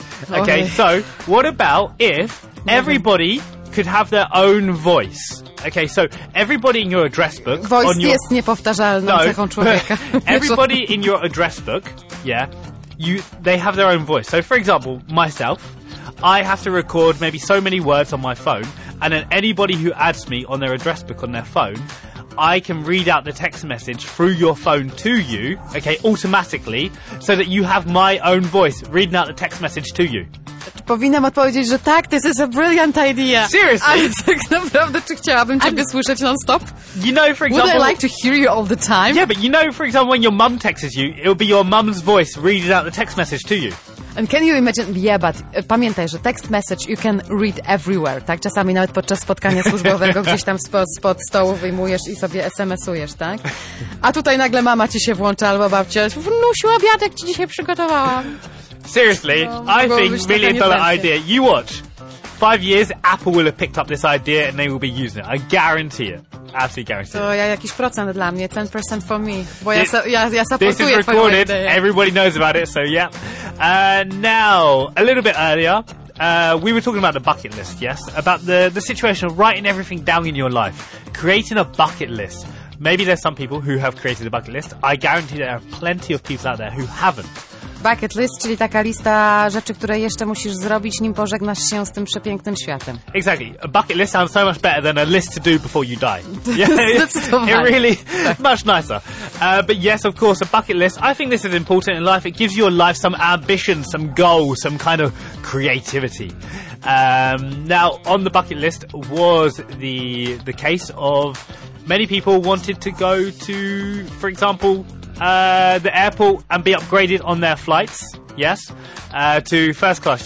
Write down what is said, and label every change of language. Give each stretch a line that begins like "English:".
English: Okay, so what about if everybody could have their own voice? Okay, so everybody in your address book... Voice on your...
Polish: jest niepowtarzalną cechą człowieka.
English: Everybody in your address book, yeah, they have their own voice. So, for example, myself, I have to record maybe so many words on my phone, and then anybody who adds me on their address book on their phone, I can read out the text message through your phone to you, okay, automatically, so that you have my own voice reading out the text message to you.
Polish: powinnam odpowiedzieć, że tak,
English: this is a brilliant idea. Seriously?
Polish: Ale tak naprawdę, czy chciałabym ciebie słyszeć non-stop?
English: You know, for example... Would I like to hear you all the time? Yeah, but you know, for example, when your mum texts you, it'll be your mum's voice reading out the text message to you. And can you imagine... Yeah, but
Polish: pamiętaj, że
English: text message you can read everywhere,
Polish: tak? Czasami nawet podczas spotkania służbowego gdzieś tam spod stołu wyjmujesz i sobie SMS-ujesz, tak? A tutaj nagle mama ci się włącza albo babcia. Wnusiu, obiadek ci dzisiaj przygotowałam.
English: Seriously, no, I think million dollar idea. You watch. 5 years, Apple will have picked up this idea and they will be using it. I guarantee it. Absolutely guarantee
Polish: to
English: it.
Polish: To ja jakiś procent dla mnie,
English: 10% for me.
Polish: Bo
English: this,
Polish: ja supportuję twoją ideę.
English: This is recorded, everybody knows about it, so yeah. Now, a little bit earlier, we were talking about the bucket list, yes? About the situation of writing everything down in your life. Creating a bucket list. Maybe there's some people who have created a bucket list. I guarantee there are plenty of people out there who haven't.
Polish: Bucket list, czyli taka lista rzeczy, które jeszcze musisz zrobić, nim pożegnasz się z tym przepięknym światem.
English: Exactly. A bucket list sounds so much better than a list to do before you die. Yeah, it really much nicer. But yes, of course, a bucket list. I think this is important in life. It gives your life some ambition, some goal, some kind of creativity. Now, on the bucket list was the case of many people wanted to go to, for example, the airport and be upgraded on their flights, yes, to first class.